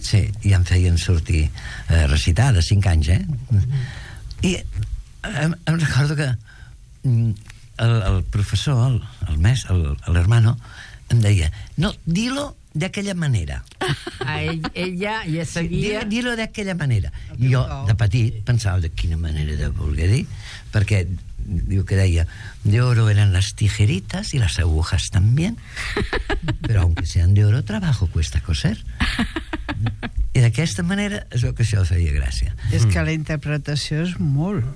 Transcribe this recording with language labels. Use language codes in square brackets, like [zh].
[ca] Sí, i em feien sortir recitar, de 5 anys, I em recordo que el professor, el mes, l'hermano, em deia, no, di-lo d'aquella manera. Ella ja seguia... Sí, di-lo d'aquella manera. I jo, de petit, pensava, de quina manera de voler dir, perquè... Diu que deia, [es] de oro eran las tijeritas y las agujas también, pero aunque sean de oro, trabajo cuesta coser. [ca] I d'aquesta manera es veu que això feia gràcia. És que la interpretació és molt...